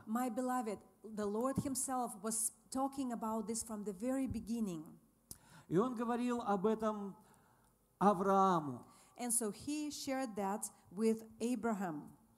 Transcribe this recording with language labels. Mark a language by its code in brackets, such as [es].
[en] My beloved, the Lord himself was talking about this from the very beginning. [ru] И он говорил об этом Аврааму. [en] And so he shared that with Abraham.